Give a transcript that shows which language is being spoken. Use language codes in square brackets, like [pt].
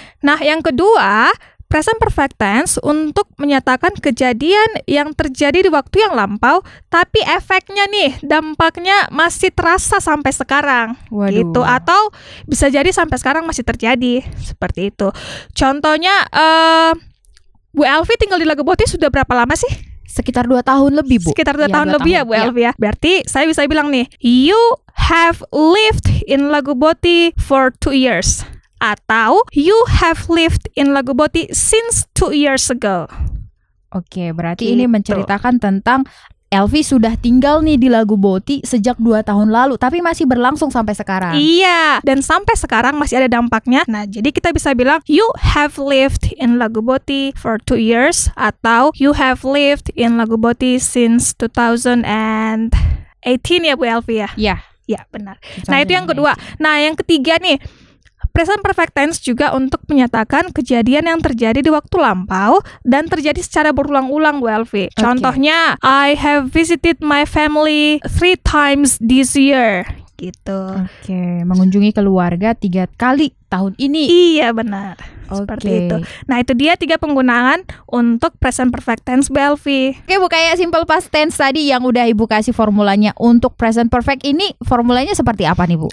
[id] Nah, yang kedua, present perfect tense untuk menyatakan kejadian yang terjadi di waktu yang lampau tapi efeknya nih, dampaknya masih terasa sampai sekarang. Waduh. Gitu, atau bisa jadi sampai sekarang masih terjadi, seperti itu. Contohnya Bu Elvi tinggal di Legoboti sudah berapa lama sih? Sekitar 2 tahun lebih Bu. Sekitar 2 tahun lebih ya Bu Elvi ya. [en] Berarti saya bisa bilang nih, you have lived in Legoboti for 2 years. Atau you have lived in Legoboti since 2 years ago. [id] Oke, berarti gitu. Ini menceritakan tentang Elvi sudah tinggal nih di Legoboti sejak 2 tahun lalu, tapi masih berlangsung sampai sekarang. Iya, dan sampai sekarang masih ada dampaknya. [en] Nah, jadi kita bisa bilang [id] you have lived in Legoboti for 2 years, [en] atau [id] you have lived in Legoboti since 2018 [en] ya Bu Elvi ya. [id] Iya. Ya, benar. Nah, itu yang kedua. Nah, yang ketiga nih, present perfect tense juga untuk menyatakan kejadian yang terjadi di waktu lampau dan terjadi secara berulang-ulang, Welvi. Okay. [en] Contohnya, I have visited my family 3 times this year. [id] Gitu. Oke, okay. Mengunjungi keluarga 3 kali tahun ini. Iya, benar. Seperti okay, itu. Nah, itu dia 3 penggunaan untuk present perfect tense, Belvi. Oke, Bu, kayak simple past tense tadi yang udah Ibu kasih formulanya untuk present perfect ini, formulanya seperti apa nih, Bu?